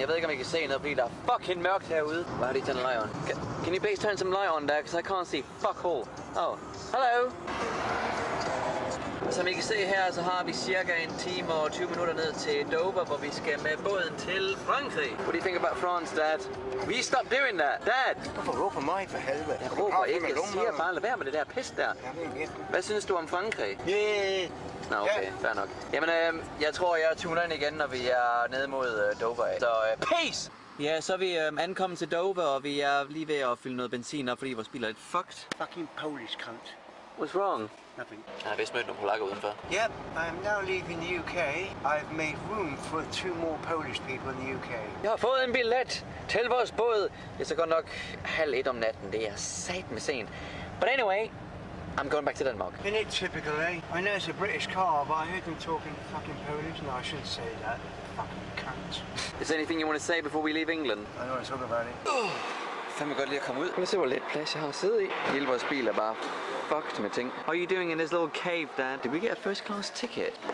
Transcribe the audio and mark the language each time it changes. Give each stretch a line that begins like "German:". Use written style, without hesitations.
Danish: Jeg ved ikke om I kan se noget, fordi der er fucking mørkt herude. Hvad har de tændt light on?
English: Can you please turn some light on there, because I can't see fuck all. Oh, hello.
Danish: Som I kan se her, så har vi cirka en time og 20 minutter ned til Dover, hvor vi skal med båden til Frankrig.
English: What do you think about France, Dad? We stop doing that, Dad!
Danish: Hvorfor råber mig for helvede? Jeg råber ikke, jeg siger bare, lad være med det der pis der. Hvad synes du om Frankrig?
English: Yeah.
Danish: Nå, okay, fair nok. Jamen, jeg tror, jeg tuner ind igen, når vi er nede mod Dover. Så peace! Ja, så er vi ankommet til Dover, og vi er lige ved at fylde noget benzin op, fordi vores bil er lidt fucked.
English: Fucking Polish cunt. What's wrong? Nothing.
Danish: Jeg har vist mødt nogle polakker udenfor.
English: Yep, I'm now leaving the UK. I've made room for two more Polish people in the UK.
Danish: Jeg har fået en billet til vores båd. Jeg skal godt nok 00:30 om natten. Det er satme sent.
English: But anyway, I'm going back to Denmark. Isn't it typical, eh? I know it's a British car, but I heard them talking fucking Polish. No, I shouldn't say that. Fucking cunt. Is there anything you want to say before we leave England? I don't want to talk about it.
Danish: Fandme godt lige at komme ud. Prøv at se, hvor let plads jeg har at sidde i. Hele vores bil er bare fucked med ting.
English: How are you doing in this little cave, Dad? Did we get a first class ticket?